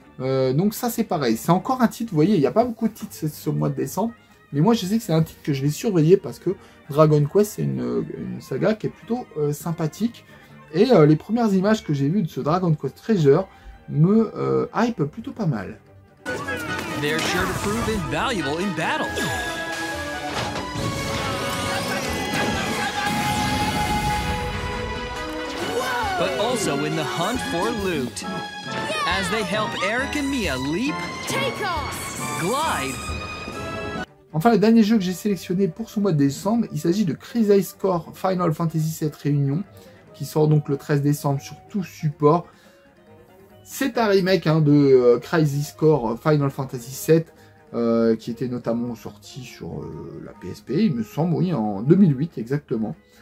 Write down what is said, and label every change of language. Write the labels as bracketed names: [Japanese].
[French] Donc ça c'est pareil, c'est encore un titre, vous voyez, il n'y a pas beaucoup de titres ce mois de décembre, mais moi je sais que c'est un titre que je vais surveiller parce que Dragon Quest c'est une saga qui est plutôt sympathique, et les premières images que j'ai vues de ce Dragon Quest Treasure me hype plutôt pas mal. [English] They're sure to prove invaluable in battle. But also in the hunt for loot. Yeah! As they help Eric and Mia leap, take off, glide. [French] Enfin, le dernier jeu que j'ai sélectionné pour ce mois de décembre, il s'agit de Crisis Core Final Fantasy VII Réunion, qui sort donc le 13 décembre sur tout support. C'est un remake hein, de Crisis Core Final Fantasy VII, qui était notamment sorti sur la PSP, il me semble, oui, en 2008 exactement.